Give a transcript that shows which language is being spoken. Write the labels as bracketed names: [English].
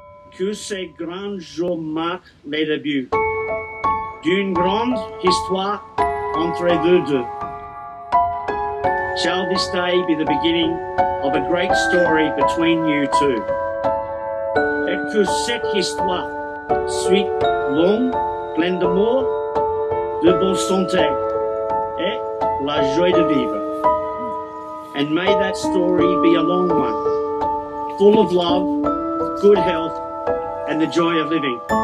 [French] que ces grands jours marquent les débuts d'une grande histoire entre eux deux. [English] Shall this day be the beginning of a great story between you two? [French] Et que cette histoire soit longue, pleine d'amour, de bonne santé et la joie de vivre. [English] And may that story be a long one, full of love, good health, and the joy of living.